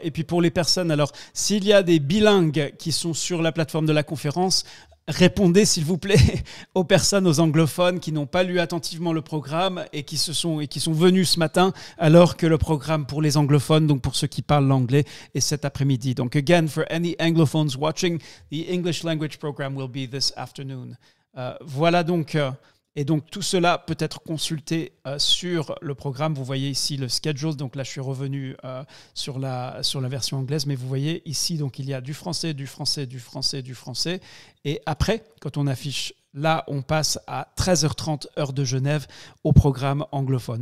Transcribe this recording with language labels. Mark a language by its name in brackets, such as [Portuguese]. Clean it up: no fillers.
[French] Et puis pour les personnes, alors, s'il y a des bilingues qui sont sur la plateforme de la conférence, répondez, s'il vous plaît, aux personnes, aux anglophones qui n'ont pas lu attentivement le programme et qui sont venus ce matin, alors que le programme pour les anglophones, donc pour ceux qui parlent l'anglais, est cet après-midi. [English] Donc, again, for any anglophones watching, the English language program will be this afternoon. [French] Voilà donc... Et donc, tout cela peut être consulté sur le programme. Vous voyez ici le schedule. Donc là, je suis revenu sur la version anglaise. Mais vous voyez ici, donc, il y a du français, du français, du français, du français. Et après, quand on affiche là, on passe à 13h30, heure de Genève, au programme anglophone.